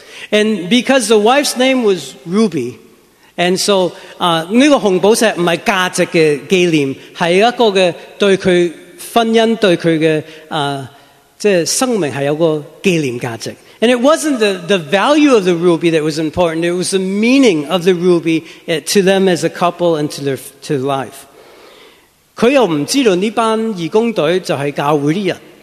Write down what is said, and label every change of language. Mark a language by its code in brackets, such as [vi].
[en] And because the wife's name was Ruby, and so, [zh] 这个红宝石不是价值的纪念，是一个的对她婚姻，对她的即是生命是有个纪念价值。 [en] And it wasn't the value of the ruby that was important. It was the meaning of the ruby to them as a couple and to life. [zh] 他又不知道这班义工队就是教会的人。